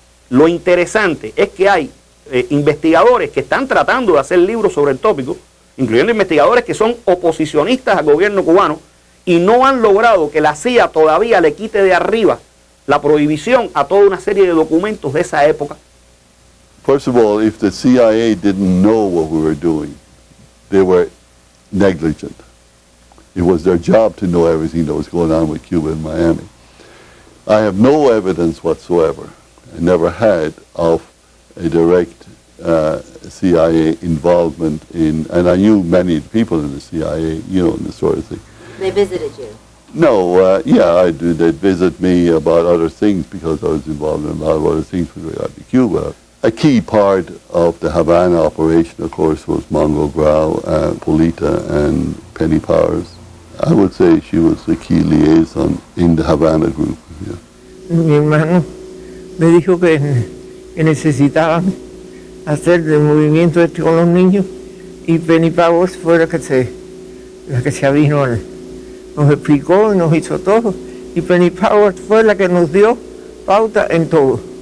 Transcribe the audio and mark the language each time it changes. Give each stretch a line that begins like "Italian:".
Spanish: Lo interesante es que hay investigadores que están tratando de hacer libros sobre el tópico, incluyendo investigadores que son oposicionistas al gobierno cubano, y no han logrado que la CIA todavía le quite de arriba la prohibición a toda una serie de documentos de esa época.
English: First of all, if the CIA didn't know what we were doing, they were negligent. It was their job to know everything that was going on with Cuba and Miami. I have no evidence whatsoever, I never had, of a direct CIA involvement in, and I knew many people in the CIA, you know, and this sort of thing. They visited you? No, yeah, I did. They'd visit me about other things because I was involved in a lot of other things with regard to Cuba. A key part of the Havana operation, of course, was Mongo Grau, Polita, and Penny Powers. I would say she was the key liaison in the Havana group. Yeah.
Spanish: Mi hermano me dijo que necesitaban hacer el movimiento este con los niños y Benny Pavos fue la que se vino, nos explicó y nos hizo todo. Y Penny Power fue la que nos dio pauta en todo.